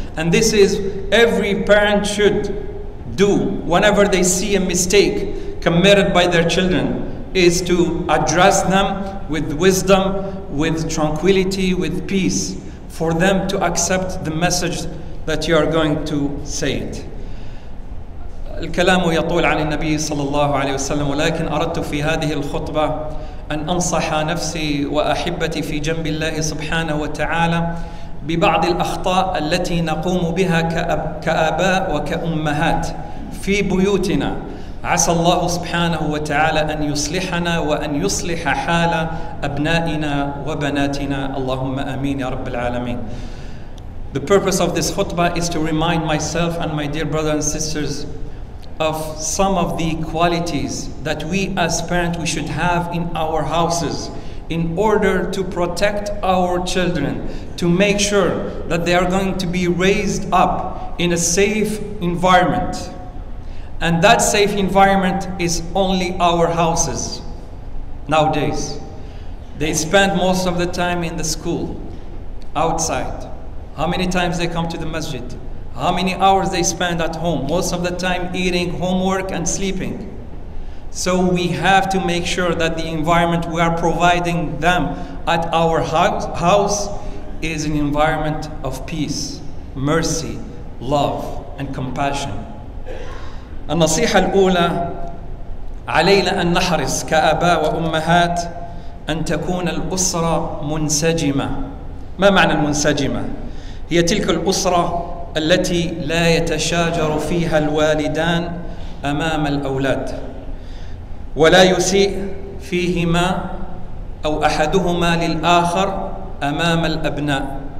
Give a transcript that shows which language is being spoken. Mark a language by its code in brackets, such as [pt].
[en] And this is every parent should do whenever they see a mistake committed by their children, is to address them with wisdom, with tranquility, with peace, for them to accept the message that you are going to say it. [ar] الكلام يطول عن النبي صلى الله عليه وسلم ولكن أردت في هذه الخطبة أن أنصح نفسي وأحبتي في جنب الله سبحانه وتعالى ببعض الأخطاء التي نقوم بها كآباء وكأمهات في بيوتنا. عسى الله سبحانه وتعالى أن يصلحنا وأن يصلح حال أبنائنا وبناتنا. اللهم آمين يا رب العالمين. [en] The purpose of this khutbah is to remind myself and my dear brothers and sisters of some of the qualities that we as parents we should have in our houses in order to protect our children, to make sure that they are going to be raised up in a safe environment. And that safe environment is only our houses nowadays. They spend most of the time in the school, outside. How many times they come to the masjid? How many hours they spend at home? Most of the time eating homework and sleeping. So we have to make sure that the environment we are providing them at our house is an environment of peace, mercy, love, and compassion. [ar] النصيحة الأولى علينا أن نحرص كآباء وأمهات أن تكون الأسرة منسجمة. ما معنى المنسجمة؟ هي تلك الأسرة التي لا يتشاجر فيها الوالدان أمام الأولاد ولا يسيء فيهما أو أحدهما للآخر أمام الأبناء.